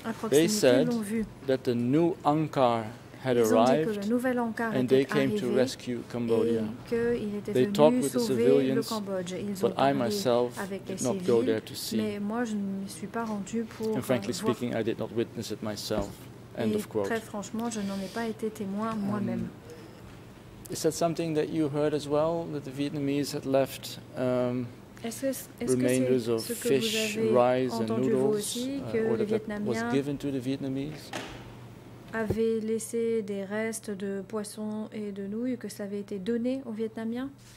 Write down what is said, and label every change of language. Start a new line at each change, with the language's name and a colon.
English: They said that the new Angkar had arrived and they came to rescue Cambodia. They talked with the civilians, but I myself did not go there to see. And frankly speaking, I did not witness it myself. End of quote.
French: Très franchement, je n'en ai pas été témoin moi-même.
English: Is that something that you heard as well, that the Vietnamese had left remainders of fish, rice and noodles, or that was given to the Vietnamese?
French: Avait laissé des restes de poissons et de nouilles que ça avait été donné aux Vietnamiens?